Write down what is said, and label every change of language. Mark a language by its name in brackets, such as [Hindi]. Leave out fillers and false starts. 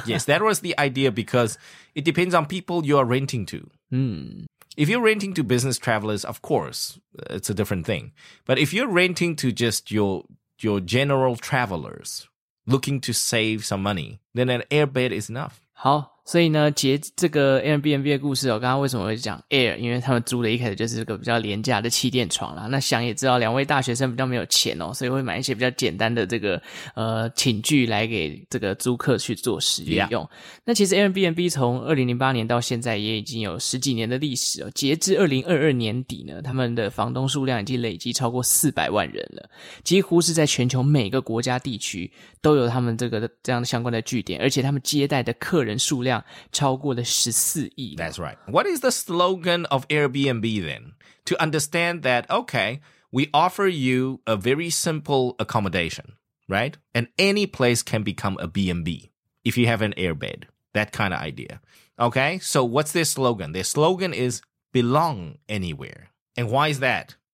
[English] Yes, that was the idea because it depends on people you are renting to. Hmm. If you're renting to business travelers, of course, it's a different thing. But if you're renting to just your general travelers looking to save some money, then an air bed is enough. [Chinese] 好,所以呢，结这个 Airbnb 的故事哦，刚刚为什么会讲 Air？因为他们租的一开始就是这个比较廉价的气垫床啦。那想也知道，两位大学生比较没有钱哦，所以会买一些比较简单的这个寝具来给这个租客去做使用。 Yeah. 那其实 Airbnb 从2008年到现在也已经有十几年的历史哦。截至2022年底呢，他们的房东数量已经累积超过400万人了，几乎是在全球每个国家地区都有他们这个这样相关的据点，而且他们接待的客人数量超过了14亿。 [English] That's right. What is the slogan of Airbnb then? To understand that, okay, we offer you a very simple accommodation, right? And any place can become a B&B if you have an airbed, that kind of idea. Okay, so what's their slogan? Their slogan is belong anywhere. And why is that?